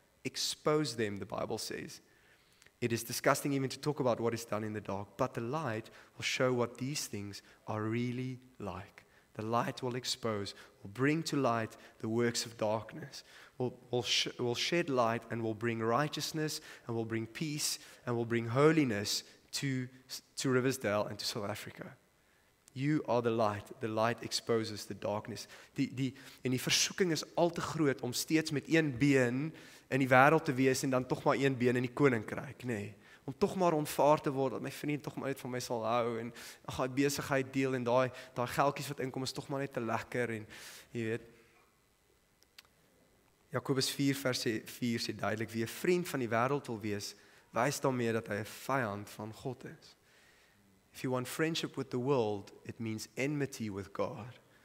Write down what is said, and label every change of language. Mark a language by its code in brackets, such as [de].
[en] Expose them, the Bible says. It is disgusting even to talk about what is done in the dark, but the light will show what these things are really like. The light will expose, will bring to light the works of darkness, will shed light and will bring righteousness and will bring peace and will bring holiness to Riversdale and to South Africa. You are the light. The light exposes the darkness. [af] Die versoeking is al te groot om steeds met een been in die wêreld te wees en dan toch maar een been in die koninkryk, nee. Om toch maar ontvaard te word, dat my vriend toch maar net van my sal hou, en ek gaan besigheid deel, en daai geldjies wat inkom is toch maar net te lekker, en jy weet. Jakobus 4 vers 4 sê duidelik, wie 'n vriend van die wêreld wil wees, wys dan meer dat hy 'n vyand van God is. [en] If you want friendship with the world, it means enmity with God.